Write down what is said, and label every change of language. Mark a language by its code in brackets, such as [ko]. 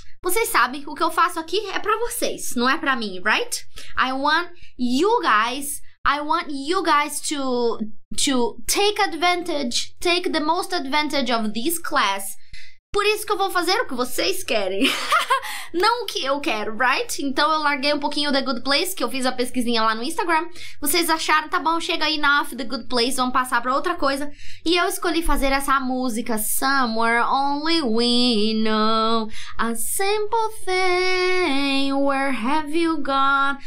[pt] Vocês sabem, o que eu faço aqui é pra vocês, não é pra mim, [en] right? I want you guys to take advantage, take the most advantage of this class. [pt] Por isso que eu vou fazer o que vocês querem. Não o que eu quero, [en] right? [pt] Então eu larguei um pouquinho o The Good Place, que eu fiz a pesquisinha lá no Instagram. Vocês acharam, tá bom, chega aí, [en] enough [pt] The Good Place, vamos passar pra outra coisa. E eu escolhi fazer essa música, Somewhere Only We Know, A Simple Thing, Where Have You Gone.